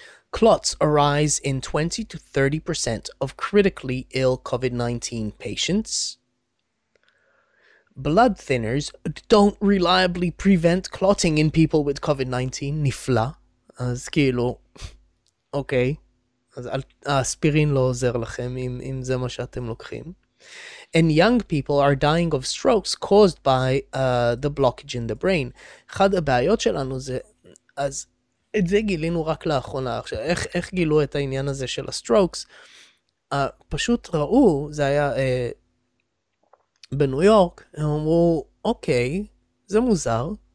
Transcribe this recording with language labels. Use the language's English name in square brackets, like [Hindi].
[English] Clots arise in 20 to 30% of critically ill COVID-19 patients. Blood thinners don't reliably prevent clotting in people with COVID-19. [Hebrew] Nifla. אז כאילו, אוקיי. אז האספירין לא עוזר לכם אם זה מה שאתם לוקחים. [English] And young people are dying of strokes caused by the blockage in the brain. [Hebrew] אחד הבעיות שלנו זה, אז את זה גילינו רק לאחרונה. עכשיו, איך גילו את העניין הזה של הסטרוקס? פשוט ראו, זה היה בניו יורק, הם אמרו, אוקיי, זה מוזר.